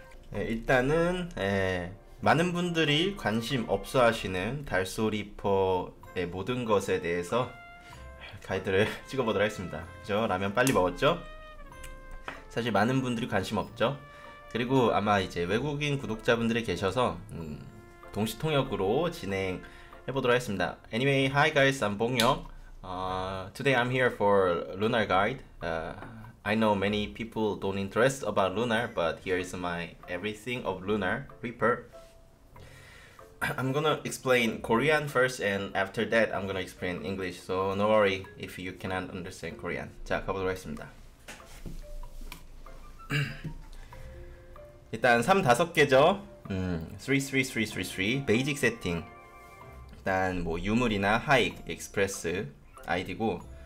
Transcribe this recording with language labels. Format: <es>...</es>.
<ko>네, 일단은 많은 분들이 관심 없어하시는 달소리퍼의 모든 것에 대해서 가이드를 찍어보도록 하겠습니다. 그죠? 라면 빨리 먹었죠? 사실 많은 분들이 관심 없죠. 그리고 아마 이제 외국인 구독자분들이 계셔서 동시 통역으로 진행해보도록 하겠습니다.</ko> <en>Anyway, hi guys, I'm 봉영. Today I'm here for Lunar Guide. I know many people don't interest about Lunar, but here is my everything of Lunar Reaper. I'm gonna explain Korean first, and after that, I'm gonna explain English. So no worry if you cannot understand Korean.</en> <ko>자, 가보도록 하겠습니다. 일단 3, 5개죠. 3, 3, 3, 3, 3. 베이직 세팅. 일단 뭐 유물이나 하익, 익스프레스 아이디고.</ko>